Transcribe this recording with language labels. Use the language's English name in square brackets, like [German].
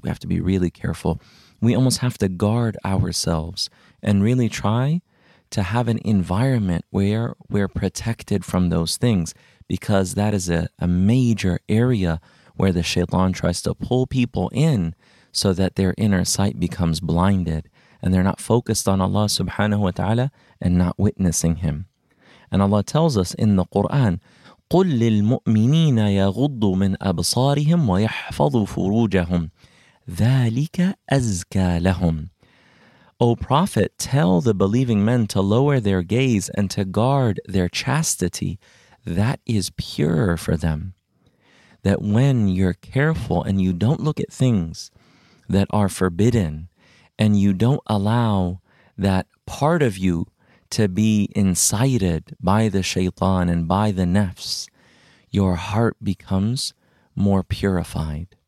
[English] We have to be really careful. We almost have to guard ourselves and really try to have an environment where we're protected from those things, because that is a major area where the shaitan tries to pull people in so that their inner sight becomes blinded and they're not focused on Allah subhanahu wa ta'ala and not witnessing Him. And Allah tells us in the Quran, [Arabic] قُلْ لِلْمُؤْمِنِينَ يَغُضُّ مِنْ أَبْصَارِهِمْ وَيَحْفَظُ فُرُوجَهُمْ ذَلِكَ أَزْكَى لَهُمْ. [English] O Prophet, tell the believing men to lower their gaze and to guard their chastity. That is purer for them. That when you're careful and you don't look at things that are forbidden and you don't allow that part of you to be incited by the shaitan and by the nafs, your heart becomes more purified.